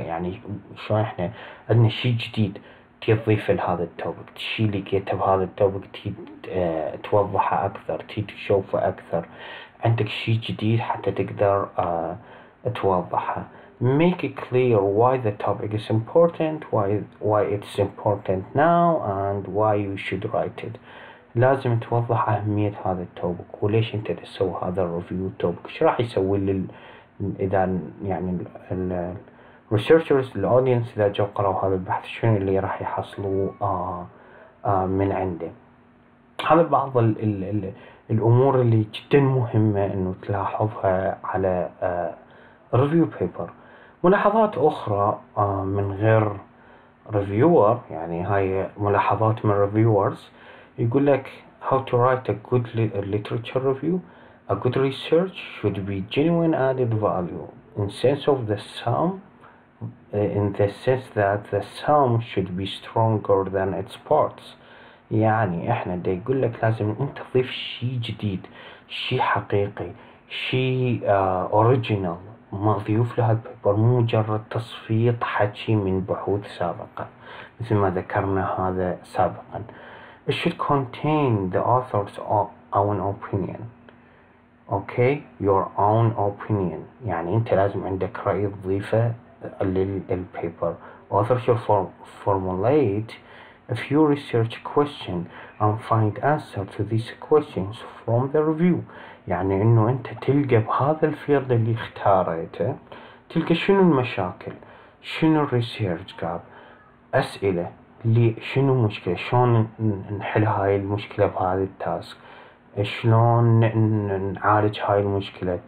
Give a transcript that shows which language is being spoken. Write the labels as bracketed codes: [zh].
[ar] يعني شو احنا عندنا شيء جديد تضيف لهذا التوبك، شيء اللي لقيته بهذا التوبك توضحه اكثر، تشوفه اكثر، عندك شيء جديد حتى تقدر توضحه. [en] Make it clear why the topic is important, why it's important now, and why you should write it. [ar] لازم توضح أهمية هذا التوبك وليش أنت تسوي هذا الريفيو. التوبك شو راح يسوي إذا يعني ال researchers، ال audience إذا جو قرأوا هذا البحث، شنو اللي راح يحصلوه من عنده. هذا بعض ال ال ال الأمور اللي جدا مهمة إنه تلاحظها على review paper. ملاحظات أخرى من غير reviewer، يعني هاي ملاحظات من reviewers، يقول لك [en] how to write a good literature review. A good research should be genuine added value in sense of the sum, in the sense that the sum should be stronger than its parts. [ar] يعني احنا دا يقول لك لازم انت تضيف شيء جديد، شيء حقيقي، شيء original مضيوف لها البيبر، مو مجرد تصفيط حكي من بحوث سابقة مثل ما ذكرنا هذا سابقا. [en] It should contain the author's own opinion. Okay, your own opinion. [ar] يعني انت لازم عندك رأي تضيفه للبيبر. [en] Authors should formulate a few research questions and find answers to these questions from the review. [ar] يعني انه انت تلقى بهذا الفيلد اللي اختاريته، تلقى شنو المشاكل، شنو الريسيرش جاب، اسئلة لي، شنو مشكلة، شلون نحل هاي المشكلة بهذا التاسك، شلون نعالج هاي المشكلة.